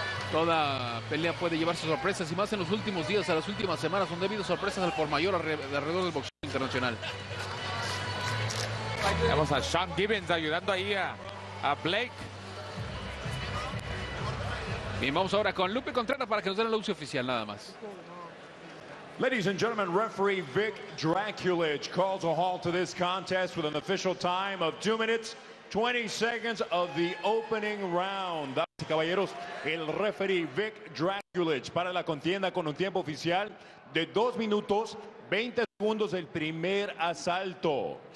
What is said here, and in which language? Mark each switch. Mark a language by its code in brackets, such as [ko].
[es] Toda pelea puede llevarse sorpresas, y más en los últimos días, a las últimas semanas, donde ha habido sorpresas al por mayor alrededor del boxeo internacional. Vamos a Sean Gibbons ayudando ahí a Blake. Bien, vamos ahora con Lupe Contreras para que nos den el anuncio oficial, nada más. [en] Ladies and gentlemen, referee Vic Draculesh calls a halt to this contest with an official time of 2 minutes, 20 seconds of the opening round. [es] Caballeros, el referee Vic Draculesh para la contienda con un tiempo oficial de 2 minutos 20 segundos del primer asalto.